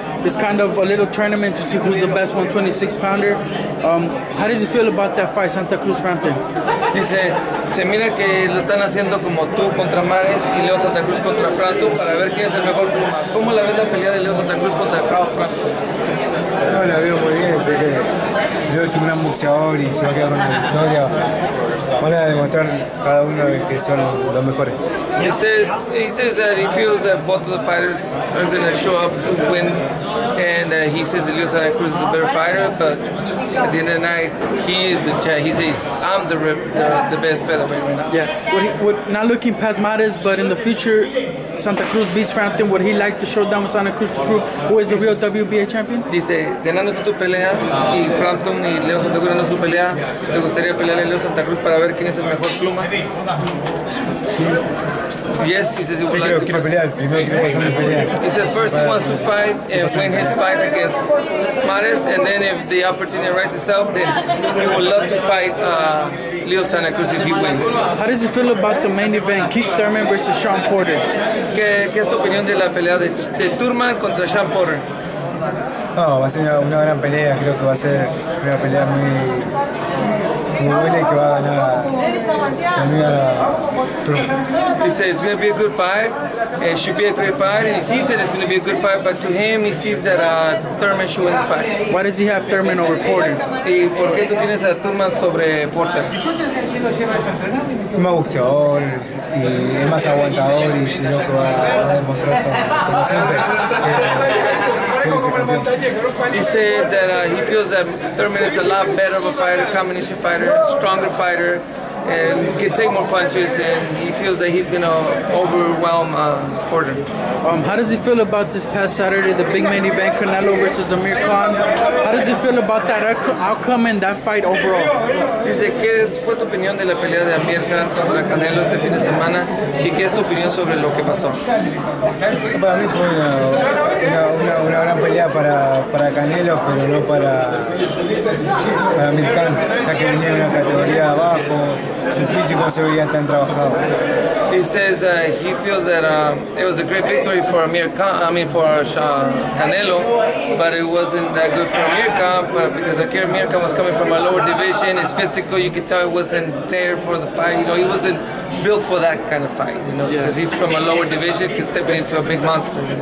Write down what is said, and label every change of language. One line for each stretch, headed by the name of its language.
English: It's kind of a little tournament to see who's the best 126-pounder. How does he feel about that fight, Santa Cruz-Frampton?
Spanish: Dice, se mira que lo están haciendo como tú contra Mares y Leo Santa Cruz contra Frampton para ver quién es el mejor pluma. ¿Cómo la ves la pelea de Leo Santa Cruz contra Carl Frampton? No, la veo muy bien. Sé que Leo es un gran boxeador y se va a quedar con la victoria. Van a demostrar cada uno que son los mejores.
English: He says that he feels that both of the fighters are going to show up to win, and he says that Leo Santa Cruz is a better fighter, but at the end of the night, he is the champ. He says, I'm the best featherweight right now. Yeah. Would, not looking past Mattis, but in the future, Santa Cruz beats Frampton, would he like to show down with Santa Cruz to prove who is the real WBA champion?
Spanish: Dice, ganando tu pelea, y Frampton y Leo Santa Cruz ganando su pelea, ¿te gustaría pelearle a Leo Santa Cruz para ver quién es el mejor pluma? Sí.
English: Yes, he says he would like to fight. He says first he wants to fight and win his fight against Mares, and then if the opportunity arises itself, then he would love to fight Leo Santa Cruz if he wins. How does he feel about the main event, Keith Thurman versus Sean Porter?
Spanish: ¿Qué es tu opinión de la pelea de Thurman contra Sean Porter? Oh, va a ser una gran pelea. Creo que va a ser una pelea muy buena y que va a ganar.
English: He said it's going to be a good fight. It should be a great fight. And he sees that it's going to be a good fight, but to him, he sees that Thurman should win the fight. Why does he have Thurman over Porter?
Spanish: ¿Y por qué tú tienes a Thurman sobre Porter? Es más boxeador y es más aguantador y creo que va a demostrar como siempre.
English: He said that he feels that Thurman is a lot better of a fighter, combination fighter, stronger fighter, and can take more punches, and he feels that he's going to overwhelm Porter. How does he feel about this past Saturday, the big main event, Canelo versus Amir Khan? How does he feel about that outcome and that fight overall?
Spanish: Dice, ¿qué es tu opinión de la pelea de Amir Khan contra Canelo este fin de semana? ¿Y qué es tu opinión sobre lo que pasó? Para mí fue una gran pelea para Canelo, pero no para Amir Khan, ya que venía de una categoría abajo.
English: He says that he feels that it was a great victory for Amir Khan, for Canelo, but it wasn't that good for Amir Khan, but because Amir Khan was coming from a lower division, his physical, you could tell he wasn't there for the fight, you know, he wasn't built for that kind of fight, you know, because he's from a lower division, can step into a big monster.